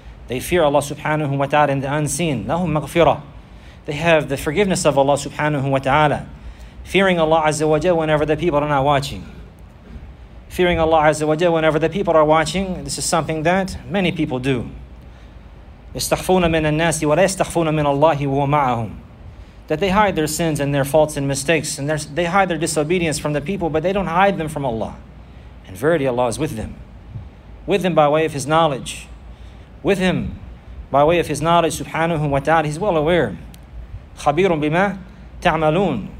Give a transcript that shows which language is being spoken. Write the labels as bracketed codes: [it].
[en] They fear Allah subhanahu wa ta'ala in the unseen. [ar] لَهُمْ مَغْفِرَةً. [en] They have the forgiveness of Allah subhanahu wa ta'ala. Fearing Allah Azza wa Jal whenever the people are not watching. Fearing Allah Azza wa Jal whenever the people are watching, this is something that many people do. [ar] يستخفون من الناس ولا يستخفون من الله وهو معهم. [en] That they hide their sins and their faults and mistakes, and they hide their disobedience from the people, but they don't hide them from Allah. And verily Allah is with them. With them by way of His knowledge. With Him by way of His knowledge, subhanahu wa ta'ala, He's well aware. [ar] خبير بما تعملون.